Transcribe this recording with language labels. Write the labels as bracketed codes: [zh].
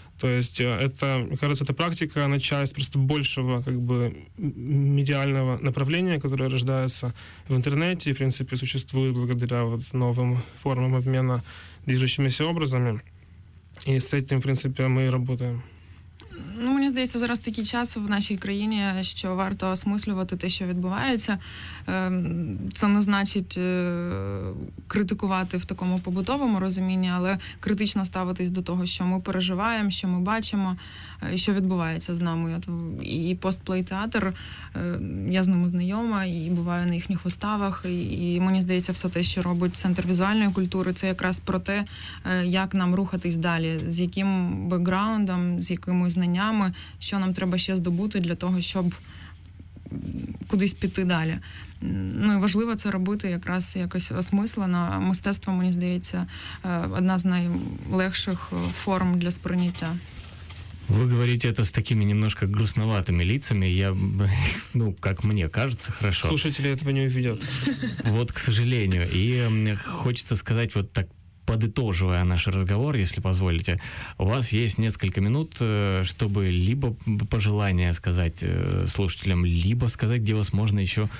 [ru] То есть это, мне кажется, эта практика, она часть просто большего как бы медиального направления, которое рождается в интернете и, в принципе, существует благодаря вот новым формам обмена движущимися образами. И с этим, в принципе, мы и работаем. [uk] Ну, мені здається, зараз такий час в нашій країні, що варто осмислювати те, що відбувається. Це не значить критикувати в такому побутовому розумінні, але критично ставитись до того, що ми переживаємо, що ми бачимо, що відбувається з нами. І постплей-театр, я з ними знайома, і буваю на їхніх виставах, і мені здається, все те, що робить Центр візуальної культури, це якраз про те, як нам рухатись далі, з яким бекграундом, з якими знаннями, що нам треба ще здобути для того, щоб кудись піти далі. Ну, і важливо це робити якраз якось осмислено. Мистецтво, мені здається, одна з найлегших форм для сприйняття. [ru] Вы говорите это с такими немножко грустноватыми лицами. Я, ну, как мне кажется, хорошо. Слушатели этого не увидят. Вот, к сожалению. И мне хочется сказать, вот так подытоживая наш разговор, если позволите, у вас есть несколько минут, чтобы либо пожелания сказать слушателям, либо сказать, где вас можно еще